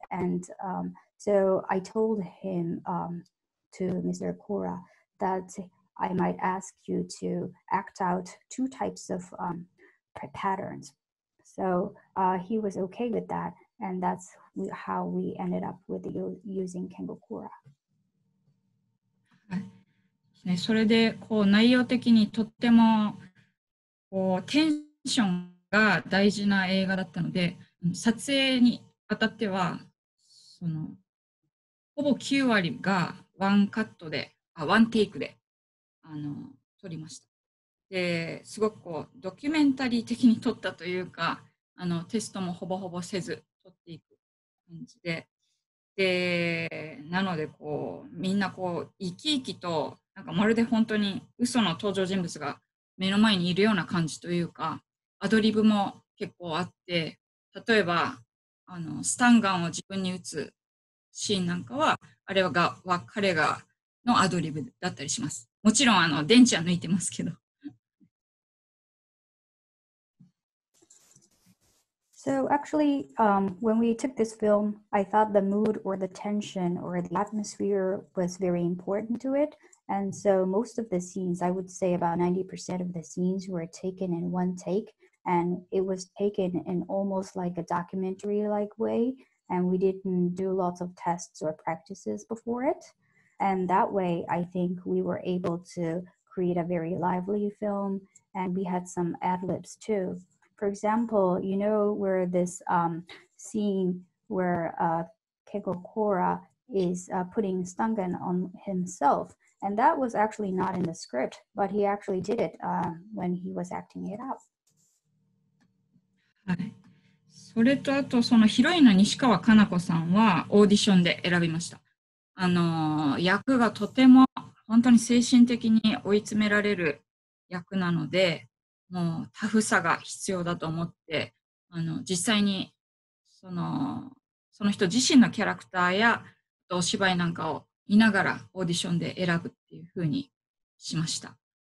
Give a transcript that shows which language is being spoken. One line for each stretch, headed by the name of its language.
English: And so I told him to Mr. Kora that I might ask you to act out two types of patterns. So he was okay with that. And that's how we ended up with using Kengo Kora.
Japanese: ね、それでこう内容的にとってもこうテンションが大事な映画だったので、撮影にあたってはそのほぼ9割がワンカットで、あ、ワンテイクで撮りました。ですごくこうドキュメンタリー的に撮ったというか、テストもほぼほぼせず撮っていく感じで、でなのでこうみんなこう生き生きと、なんかまるで本当に嘘の登場人物が目の前にいるような感じというか、アドリブも結構あって、例えばスタンガンを自分に撃つシーンなんかは、あれは彼がのアドリブだったりします。もちろん電池は抜いてますけど。
English: So actually, when we took this film, I thought the mood or the tension or the atmosphere was very important to itAnd so most of the scenes, I would say about 90% of the scenes were taken in one take, and it was taken in almost like a documentary-like way, and we didn't do lots of tests or practices before it. And that way, I think we were able to create a very lively film, and we had some ad-libs too. For example, you know where this scene where Kengo Kora is putting stun gun on himself,And that was actually not in the script, but he actually did it when he was acting it out.
Japanese: それとあとそのヒロインの西川かな子さんはオーディションで選びました。役がとても本当に精神的に追い詰められる役なので、もうタフさが必要だと思って、実際にその人自身のキャラクターやお芝居なんかを見ながらオーディションで選ぶっていう風にしました。